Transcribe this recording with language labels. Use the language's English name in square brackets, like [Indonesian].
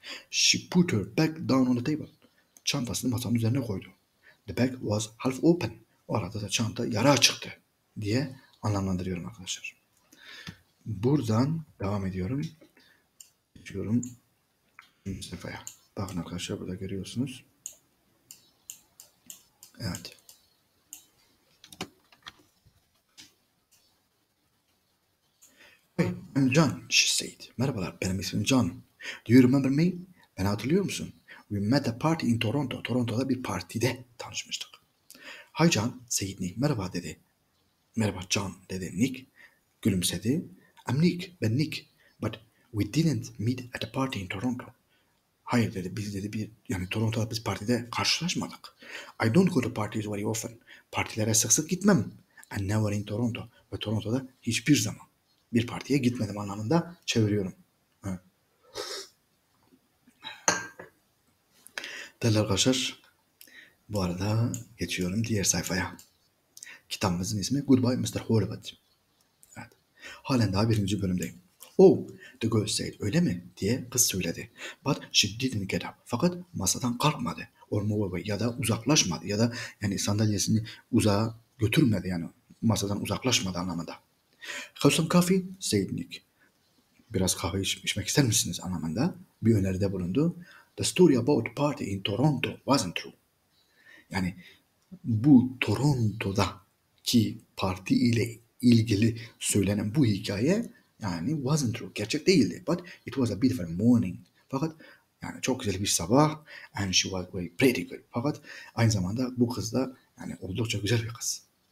[English] She put her bag down on the table. [Turkish] Çantasını masanın üzerine koydu. [English] The bag was half open. [Turkish] O arada da çanta yarı açıktı diye anlamlandırıyorum arkadaşlar. Buradan devam ediyorum. Geçiyorum. Sayfaya. Bakın arkadaşlar burada görüyorsunuz. Evet. [English] I'm John, she said. [Turkish] Merhabalar, benim ismim John. [English] Do you remember me? [Turkish] Beni hatırlıyor musun? [English] We met a party in Toronto. [Turkish] Toronto'da bir partide tanışmıştık. [English] Hi John, said Nick. [Turkish] Merhaba dedi. Merhaba John, dedi Nick. Gülümsedi. [English] I'm Nick, [Turkish] ben Nick. [English] But we didn't meet at a party in Toronto. [Turkish] Hayır dedi, biz dedi bir yani Toronto'da biz partide karşılaşmadık. [English] I don't go to parties very often. [Turkish] Partilere sık sık gitmem. [English] And never in Toronto. [Turkish] Ve Toronto'da hiçbir zaman bir partiye gitmedim anlamında çeviriyorum. Değerli arkadaşlar, bu arada geçiyorum diğer sayfaya. Kitabımızın ismi Goodbye Mr. Horvath. Halen daha birinci bölümdeyim. [English] Oh, the girl said, [Turkish] öyle mi? Diye kız söyledi. [English] But she didn't get up. [Turkish] Fakat masadan kalkmadı. [English] Or move away. [Turkish] Ya da uzaklaşmadı. Ya da yani sandalyesini uzağa götürmedi. Yani masadan uzaklaşmadı anlamında. [English] Have some coffee, said Nick. [Turkish] Biraz kahve içmek ister misiniz anlamında bir öneride bulundu. [English] The story about party in Toronto wasn't true. [Turkish] Yani bu Toronto'da ki parti ile ilgili söylenen bu hikaye yani [English] wasn't true, [Turkish] gerçek değildi. [English] But it was a beautiful morning. [Turkish] Fakat yani çok güzel bir sabah [English] and she was very pretty girl. [Turkish] Fakat aynı zamanda bu kız da yani oldukça güzel bir kız.